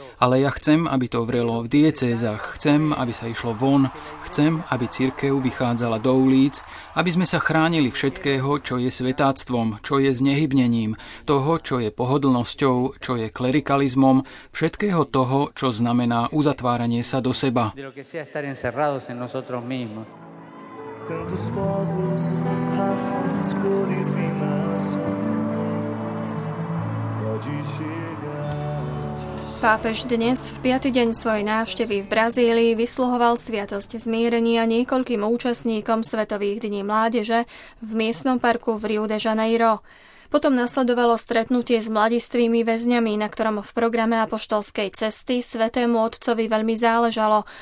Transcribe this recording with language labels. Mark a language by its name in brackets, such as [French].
[Slovak] Ale ja chcem, aby to vrelo v diecézach, chcem, aby sa išlo von, chcem, aby cirkev vychádzala do ulíc, aby sme sa chránili všetkého, čo je svetáctvom, čo je znehybnením, toho, čo je pohodlnosťou, čo je klerikalizmom, všetkého toho, čo znamená uzatváranie sa do seba. [Portuguese] Tantos povos, raças, cores e nações pode chegar. [Slovak] Pápež dnes v piaty deň svojej návštevy v Brazílii vysluhoval sviatosť zmierenia niekoľkým účastníkom Svetových dní mládeže v miestnom parku v Rio de Janeiro. Potom nasledovalo stretnutie s mladistvými väzňami, na ktorom v programe apoštolskej cesty Svätému Otcovi veľmi záležalo.